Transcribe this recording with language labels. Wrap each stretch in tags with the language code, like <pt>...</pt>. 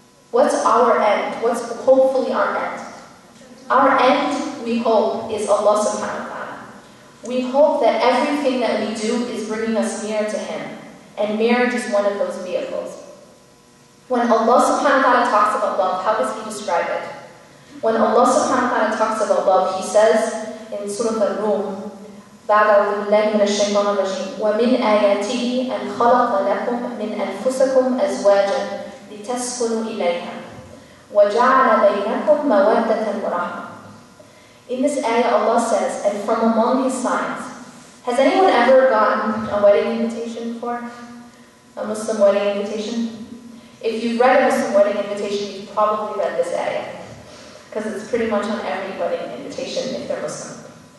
<en>What's our end? What's hopefully our end? Our end, we hope, is Allah subhanahu wa ta'ala. We hope that everything that we do is bringing us near to Him. And marriage is one of those vehicles. When Allah subhanahu wa ta'ala talks about love, how does He describe it? When Allah subhanahu wa ta'ala talks about love, He says in Surah Al-Rum,</en> <ar>بَعْدَ اللَّهِ مِنَ الشَّيْطَانِ الرَّجِيمِ وَمِنْ آيَاتِهِ أَنْ خَلَقَ لَكُمْ مِنْ أَنفُسَكُمْ أَزْوَاجًا لِتَسْكُنُوا إِلَيْهَا وَجَعَلَ بَيْنَكُمْ مَوَدَّةً وَرَحْمَةً.</ar> <en>In this ayah, Allah says, and from among His signs, has anyone ever gotten a wedding invitation before? A Muslim wedding invitation? If you've read a Muslim wedding invitation, you've probably read this ayah, because it's pretty much on every wedding invitation if they're Muslim.</en>